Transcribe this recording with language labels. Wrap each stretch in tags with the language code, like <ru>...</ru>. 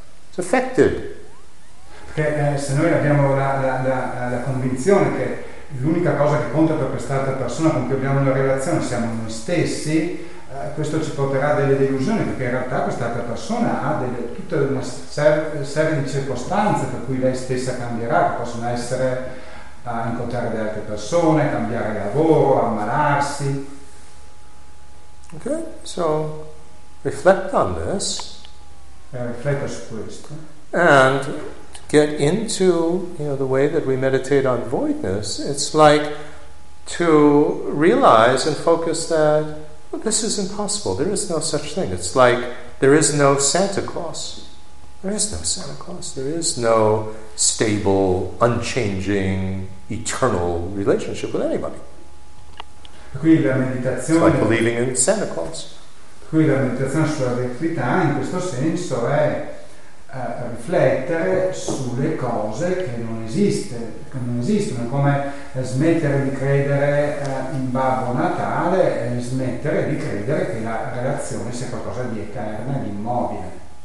<en>It's affected.</en> <it>Perché se noi abbiamo la convinzione che l'unica cosa che conta per quest'altra persona con cui abbiamo una relazione siamo noi stessi, questo ci porterà delle delusioni, perché in realtà quest'altra persona ha tutta una serie di circostanze per cui lei stessa cambierà, che possono essere a incontrare delle altre persone, cambiare lavoro, ammalarsi.</it> <en>Ok, so reflect on this.</en> <it>Rifletta su questo.</it> <en>And get into, you know, the way that we meditate on voidness, it's like to realize and focus that, well, this is impossible, there is no such thing. It's like there is no Santa Claus. There is no Santa Claus. There is no stable, unchanging, eternal relationship with anybody.</en> <it>Qui la meditazione,</it> <en>it's like believing in Santa Claus.</en> <it>Qui la meditazione sulla verità in questo senso è riflettere sulle cose che non esistono, come smettere di credere in Babbo Natale e smettere di credere che la relazione sia qualcosa di eterna, di immobile.</it>